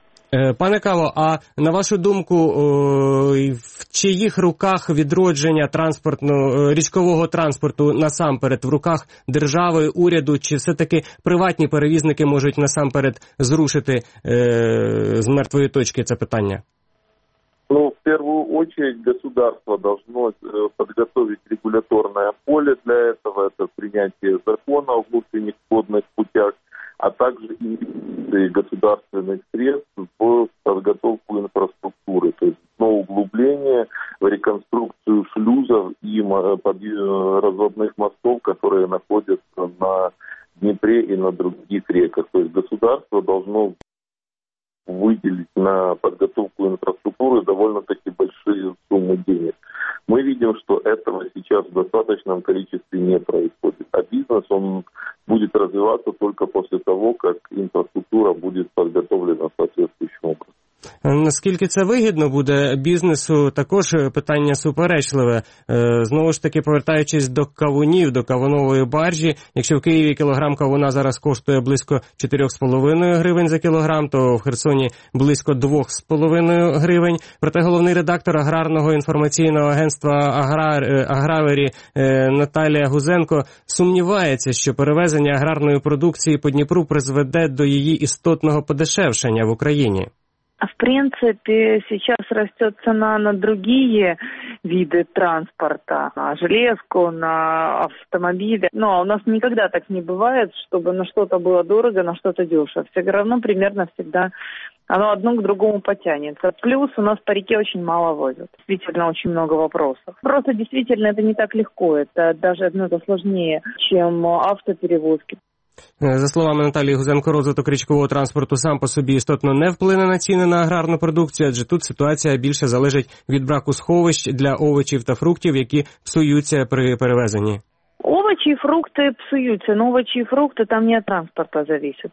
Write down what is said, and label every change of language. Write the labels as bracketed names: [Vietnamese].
[Ukrainian] Пане Каво, а на вашу думку, в чиїх руках відродження річкового транспорту насамперед? В руках держави, уряду, чи все-таки приватні перевізники можуть насамперед зрушити з мертвої точки це питання? [Russian] Ну, в первую очередь, государство должно подготовить регуляторное поле для этого, это принятие закона о внутренних водных путях, а также инвестиции государственных средств в подготовку инфраструктуры, то есть на углубление, в реконструкцию шлюзов и разводных мостов, которые находятся на Днепре и на других реках. То есть государство должно выделить на подготовку инфраструктуры довольно-таки большие суммы денег. Мы видим, что этого сейчас в достаточном количестве не происходит. А бизнес, он будет развиваться только после того, как инфраструктура будет подготовлена соответствующим образом. [Ukrainian] Наскільки це вигідно буде бізнесу, також питання суперечливе. Знову ж таки, повертаючись до кавунів, до кавунової баржі, якщо в Києві кілограм кавуна зараз коштує близько 4,5 гривень за кілограм, то в Херсоні близько 2,5 гривень. Проте головний редактор аграрного інформаційного агентства Агравері Наталія Гузенко сумнівається, що перевезення аграрної продукції по Дніпру призведе до її істотного подешевшення в Україні. [Russian] В принципе, сейчас растет цена на другие виды транспорта, на железку, на автомобили. Ну, а у нас никогда так не бывает, чтобы на что-то было дорого, на что-то дешево. Все равно примерно всегда оно одно к другому потянется. Плюс у нас по реке очень мало возят. Действительно, очень много вопросов. Просто действительно это не так легко. Это даже это сложнее, чем автоперевозки. [Ukrainian] За словами Наталії Гузенко, розвиток річкового транспорту сам по собі істотно не вплине на ціни на аграрну продукцію, адже тут ситуація більше залежить від браку сховищ для овочів та фруктів, які псуються при перевезенні. Овочі і фрукти псуються, але овочі і фрукти там не від транспорту залежить.